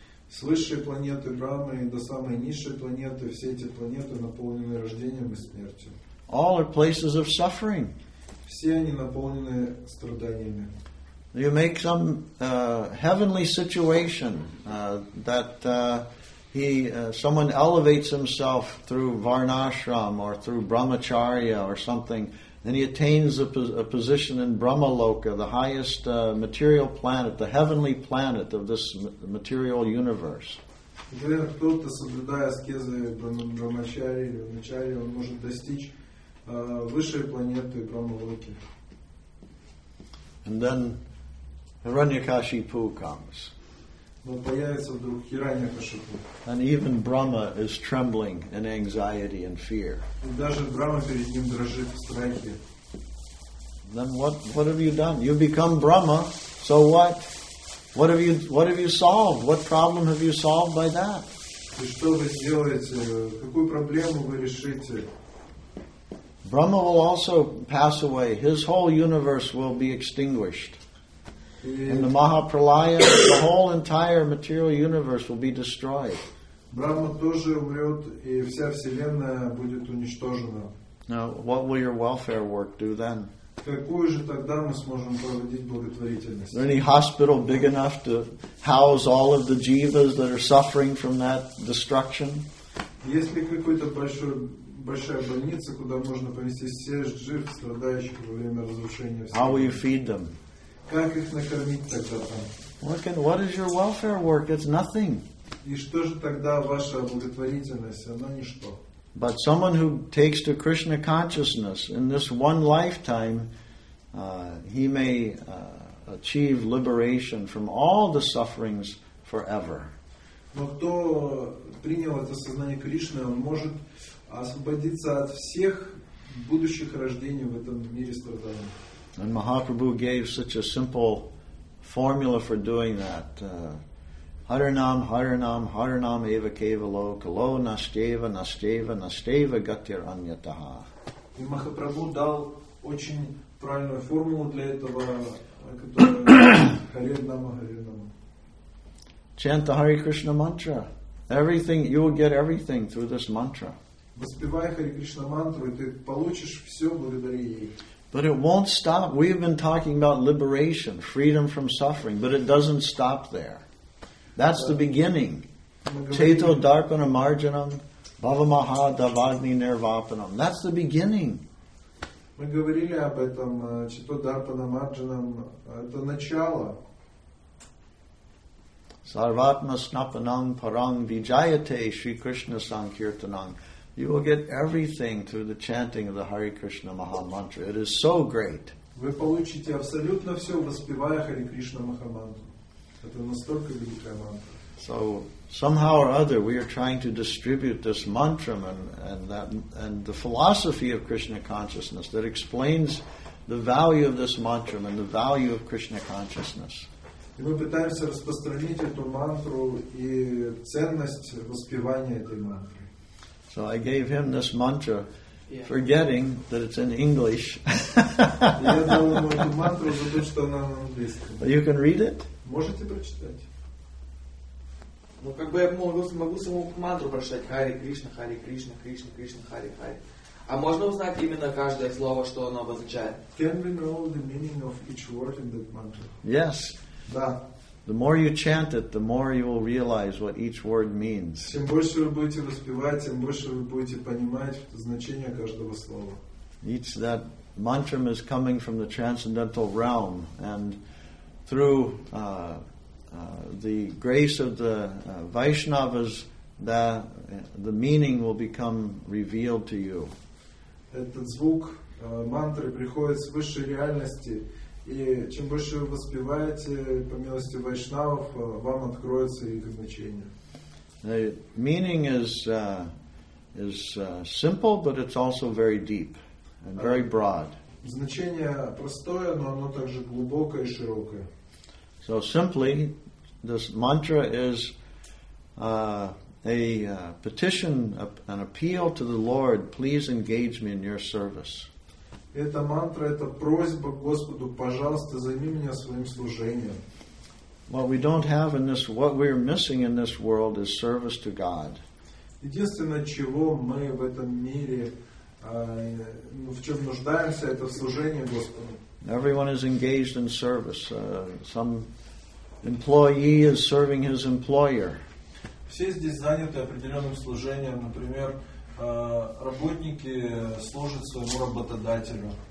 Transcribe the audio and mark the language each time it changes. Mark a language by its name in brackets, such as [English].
[Russian] С высшей планеты Брахмы до самой низшей планеты все эти планеты наполнены рождением и смертью. [English] All are places of suffering. [Russian] Все они наполнены страданиями. [English] You make some heavenly situation someone elevates himself through Varnashram or through Brahmacharya or something, and he attains a position in Brahmaloka, the highest material planet, the heavenly planet of this material universe. [Russian] Если кто-то соблюдая аскезы Брахмачарьи или Вачарьи, он может достичь высшей планеты Брахмалоки. [English] And then Hiranyakashipu comes. [Russian] Но появится вдруг Хираньякашипу. [English] And even Brahma is trembling in anxiety and fear. [Russian] И даже Брахма перед ним дрожит в страхе. [English] Then what have you done? You become Brahma, so what? What have you solved? What problem have you solved by that? [Russian] И что вы сделаете? Какую проблему вы решите? [English] Brahma will also pass away. His whole universe will be extinguished. In the Mahapralaya, the whole entire material universe will be destroyed. [Russian] Брахма тоже умрет, и вся вселенная будет уничтожена. [English] Now, what will your welfare work do then? [Russian] Какую же тогда мы сможем проводить благотворительность? [English] Is there any hospital big enough to house all of the jivas that are suffering from that destruction? [Russian] Есть ли какой-то большая больница, куда можно повести всех жив, страдающих во время разрушения? [English] How will you feed them? [Russian] Как их накормить тогда там? [English] What is your welfare work? It's nothing. [Russian] И что же тогда ваша благотворительность? Она ничто. [English] But someone who takes to Krishna consciousness in this one lifetime, he may achieve liberation from all the sufferings forever. [Russian] Но кто принял это сознание Кришны, он может освободиться от всех будущих рождений в этом мире страданий. [English] And Mahaprabhu gave such a simple formula for doing that. [Sanskrit] Haranam, Haranam, Haranam eva kevalo, kalo nasteva, nasteva, nasteva gatir anyataha. [Russian] И Махапрабху дал очень правильную формулу для этого, которая Харинама, Харинама. [English] Chant the Hare Krishna mantra. Everything, you will get everything through this mantra. [Russian] Воспевай Хари Кришна мантру, и ты получишь все благодаря ей. [English] But it won't stop. We've been talking about liberation, freedom from suffering, but it doesn't stop there. That's the beginning. [Sanskrit] Cheto darpana marjanam, bhava maha davagni nirvapanam. [English] That's the beginning. [Russian] Мы говорили об этом, [Sanskrit] чето дарпана марджанам, [Russian] это начало. [Sanskrit] Sarvatma snapanam parang vijayate Shri Krishna sankirtanam. [English] You will get everything through the chanting of the Hare Krishna Maha Mantra. It is so great. [Russian] Вы получите абсолютно все, воспевая Hare Krishna Maha Mantra. Это настолько великая мантра. [English] So somehow or other, we are trying to distribute this mantra and the philosophy of Krishna consciousness that explains the value of this mantra and the value of Krishna consciousness. [Russian] И мы пытаемся распространить эту мантру и ценность воспевания этой мантры. [English] So I gave him this mantra, yeah. Forgetting that it's in English. But you can read it? [Russian] Можете прочитать. Ну как бы я могу саму мантру прочитать. Хари Кришна, Хари Кришна, Кришна Кришна, Хари Хари. А можно узнать именно каждое слово, что оно обозначает? [English] Can we know the meaning of each word in that mantra? Yes. [Russian] Да. [English] The more you chant it, the more you will realize what each word means. [Russian] Чем больше вы будете воспевать, тем больше вы будете понимать значение каждого слова. [English] Each that mantra is coming from the transcendental realm, and through the grace of the Vaishnavas, the meaning will become revealed to you. [Russian] Этот звук мантры приходит с высшей реальности. И чем больше вы воспеваете по милости вайшнавов, вам откроется их значение. [English] The meaning is simple, but it's also very deep and very broad. [Russian] Значение простое, но оно также глубокое и широкое. [English] So simply, this mantra is petition, an appeal to the Lord, please engage me in your service. [Russian] Эта мантра — это просьба Господу, пожалуйста, займи меня своим служением. [English] What we don't have in this, what we're missing in this world is service to God. [Russian] Единственное, чего мы в этом мире, в чем нуждаемся, это в служении Господу. [English] Everyone is engaged in service. Some employee is serving his employer. [Russian] Все здесь заняты определенным служением, например, работники служат своему работодателю.